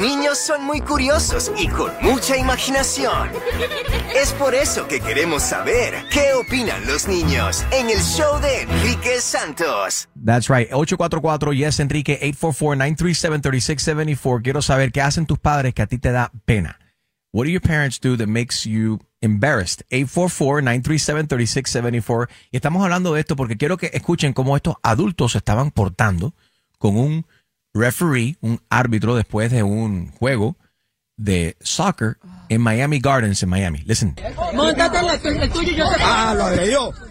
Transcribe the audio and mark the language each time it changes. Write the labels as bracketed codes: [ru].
[es] Niños son muy curiosos y con mucha imaginación. Es por eso que queremos saber qué opinan los niños en el show de Enrique Santos. [en] That's right. 844-YES-ENRIQUE 844-937-3674. [es] Quiero saber qué hacen tus padres que a ti te da pena. [en] What do your parents do that makes you embarrassed? 844-937-3674. [es] Y estamos hablando de esto porque quiero que escuchen cómo estos adultos se estaban portando con un referee, un árbitro, después de un juego de soccer en Miami Gardens, en Miami. [en] Listen. [es] Móntate el tuyo y yo te pongo. Ah, lo agredió.